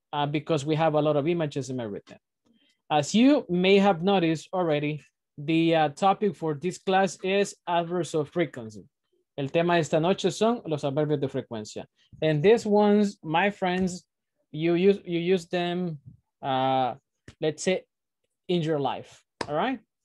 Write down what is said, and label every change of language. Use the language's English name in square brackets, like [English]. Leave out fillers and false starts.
[English] because we have a lot of images and everything. As you may have noticed already, the topic for this class is adverbs of frequency. [Spanish] El tema de esta noche son los adverbios de frecuencia. [English] And these ones, my friends, you use them, let's say, in your life, all right?